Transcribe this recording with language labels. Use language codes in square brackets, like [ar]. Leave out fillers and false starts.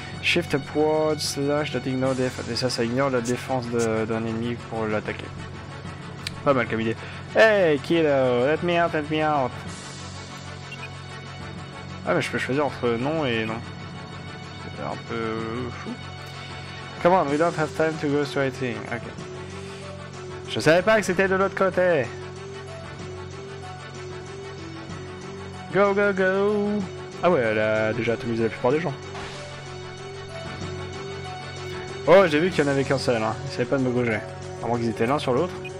[en] Shift upwards slash that ignore defense. [fr] Et ça ignore la défense d'un ennemi pour l'attaquer. Pas mal comme idée. [en] Hey, kiddo, let me out. [fr] Ah, mais je peux choisir entre non et non. C'est un peu fou. [en] Come on, we don't have time to go straighting. Ok. [fr] Je savais pas que c'était de l'autre côté. Go! Ah ouais, elle a déjà atomisé la plupart des gens. Oh, j'ai vu qu'il y en avait qu'un seul, hein. Ils savaient pas de me bouger. À moins qu'ils étaient l'un sur l'autre.